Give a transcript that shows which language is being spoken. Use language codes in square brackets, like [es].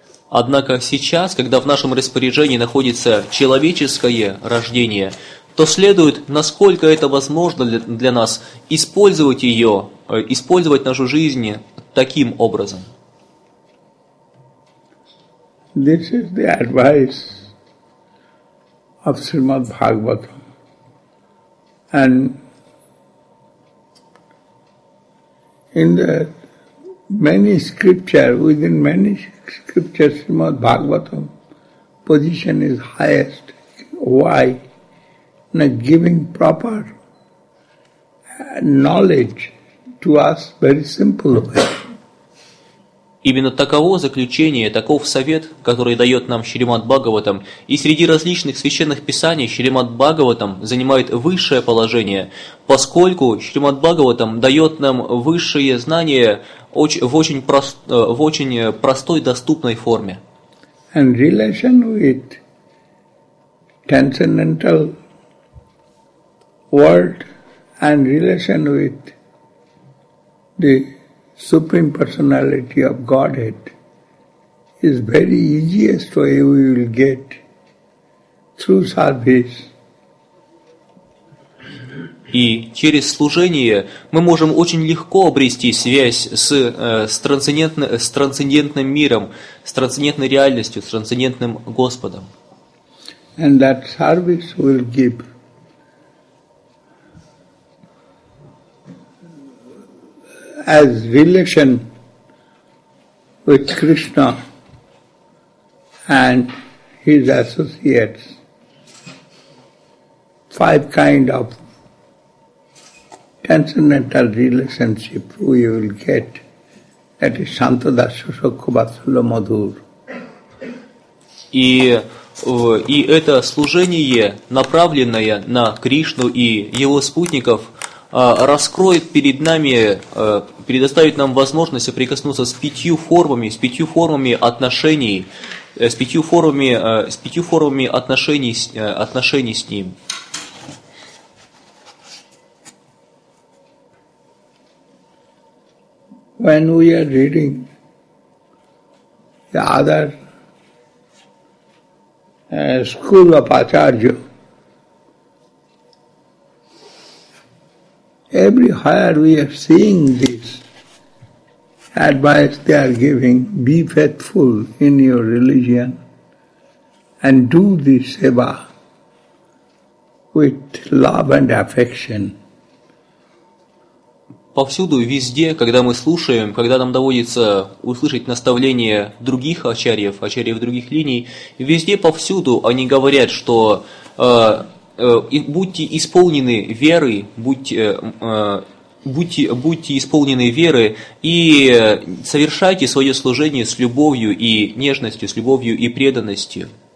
[ru] Однако сейчас, когда в нашем распоряжении находится человеческое рождение, то следует, насколько это возможно для нас, использовать нашу жизнь таким образом. [en] This is the advice of Srimad Bhagavatam. And in the many scriptures, within many scriptures, Srimad Bhagavatam position is highest. Why? Now giving proper knowledge to us very simple way. [ru] Именно таково заключение, таков совет, который дает нам Шримад Бхагаватам, и среди различных священных писаний Шримад Бхагаватам занимает высшее положение, поскольку Шримад Бхагаватам дает нам высшие знания в очень простой доступной форме. [en] And relation with transcendental world and relation with the Supreme Personality of Godhead is very easiest way we will get through service. [ru] И через служение мы можем очень легко обрести связь с трансцендентным миром, с трансцендентной реальностью, с трансцендентным Господом. [en] And that service will give as relation with Krishna and his associates, five kind of transcendental relationship we will get, that is Shanta Dasya Sukha Vatsala Madhur. [ru] И это служение, направленное на Кришну и его спутников, раскроет перед нами, предоставит нам возможность соприкоснуться с пятью формами отношений с Ним. [en] When we are reading the other school of Acharya, everywhere we are seeing this advice they are giving, be faithful in your religion and do this seva with love and affection. [ru] Повсюду, везде, когда мы слушаем, когда нам доводится услышать наставления других ачарьев, ачарьев других линий, везде, повсюду они говорят, что будьте исполнены веры, будьте исполнены веры и совершайте свое служение с любовью и нежностью, с любовью и преданностью.